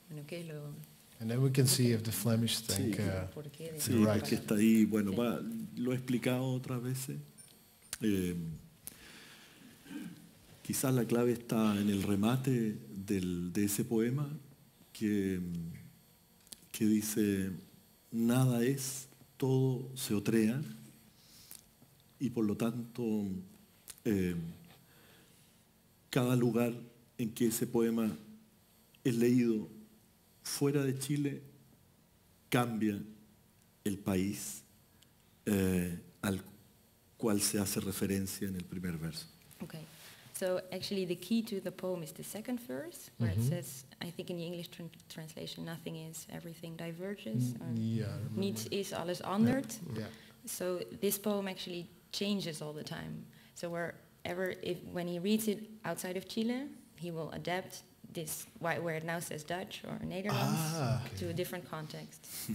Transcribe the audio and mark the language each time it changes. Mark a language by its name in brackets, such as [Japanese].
[English] And then we can see if the Flemish think right. [Spanish] Que está ahí, bueno, va, lo he explicado otras veces. Quizás la clave está en el remate de ese poema que dice nada es, todo se otrea, y por lo tanto cada lugar en que ese poema es leído fuera de Chile cambia el país al cual se hace referencia en el primer verso. [English] Okay, so actually the key to the poem is the second verse, where it says, I think in the English translation, nothing is, everything diverges, [German] nichts ist, alles andert. [English] Yeah. So this poem actually changes all the time. So wherever, when he reads it outside of Chile, he will adapt this, where it now says Dutch or Netherlands, to a different context.